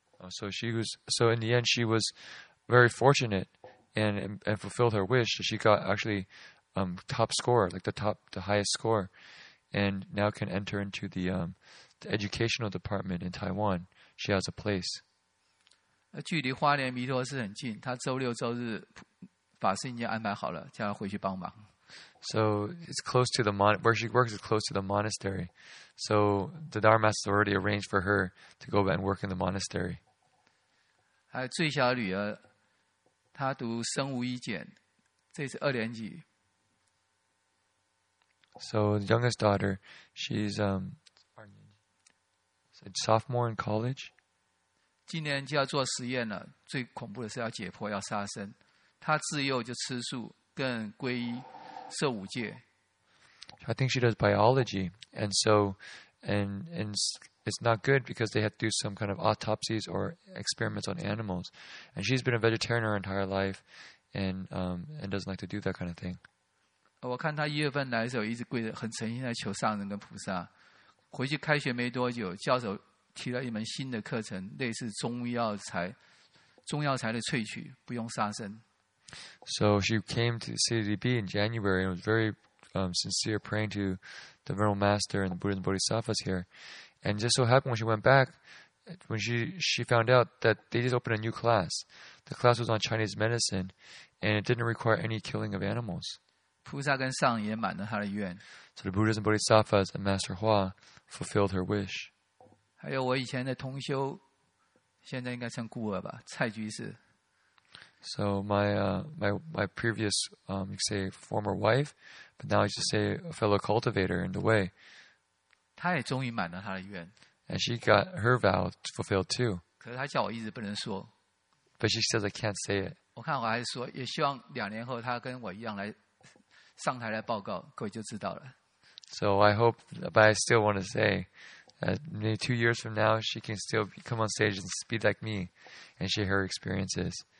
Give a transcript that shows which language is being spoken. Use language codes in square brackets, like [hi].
[en] So in the end, she was very fortunate and fulfilled her wish. She got actually. Top score, like the highest score, and now can enter into the educational department in Taiwan. She has a place. [zh] 距离花莲弥陀寺很近，他周六周日法师已经安排好了，叫他回去帮忙。 [en] So it's close to where she works is close to the monastery. So the Dharma Master has already arranged for her to go and work in the monastery. [zh] 还有最小的女儿，她读生物医检，这是二年级。 [en] So the youngest daughter, she's a sophomore in college. [zh] 今年就要做实验了，最恐怖的是要解剖，要杀生。她自幼就吃素，更皈依，受五戒。 [en] I think she does biology, and so, and it's not good because they have to do some kind of autopsies or experiments on animals. And she's been a vegetarian her entire life, and doesn't like to do that kind of thing. [zh] 我看他一月份来的时候，一直跪着，很诚心的求上人跟菩萨。回去开学没多久，教授提了一门新的课程，类似中药材的萃取，不用杀生。 [en] So she came to CDB in January and was very sincere praying to the Venerable Master and the Buddha and Bodhisattvas here. And just so happened when she went back, when she found out that they just opened a new class, the class was on Chinese medicine, and it didn't require any killing of animals. [zh] 菩萨跟上也满了他的愿。 [en] So the Buddhas and Bodhisattvas and Master Hua fulfilled her wish. [zh] 还有我以前的同修，现在应该算孤儿吧，蔡居士。 [en] So my previous you say former wife, but now I just say a fellow cultivator in the way. [zh] 她也终于满了她的愿。 [en] And she got her vow fulfilled too. [zh] 可是她叫我一直不能说。 [en] But she says I can't say it. [zh] 我看我还是说，也希望两年后她跟我一样来上台来报告，各位就知道了。 [en] So I hope, but I still want to say, maybe 2 years from now she can still come on stage and speak like me, and share her experiences.